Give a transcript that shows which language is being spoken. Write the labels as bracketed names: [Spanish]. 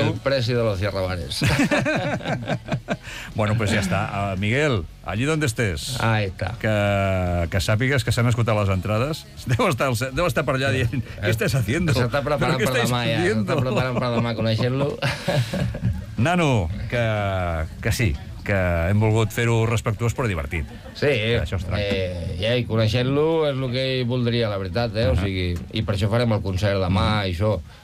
[Spanish] El presi de los Cierrabares. [Catalan] Bueno, pues ja està. [Spanish] Miguel, allí donde estés. Ahí está. [Catalan] Que sàpigues que s'han esgotat les entrades. Deu estar per allà dient, [Spanish] ¿qué estás haciendo? [Catalan] S'està preparant per demà, ja. S'està preparant per demà, coneixent-lo. Nano, que sí. Que hem volgut fer-ho respectuós, però divertit. Sí, això es tracta. I coneixent-lo és el que ell voldria, la veritat, eh? O sigui, i per això farem el concert demà, i això.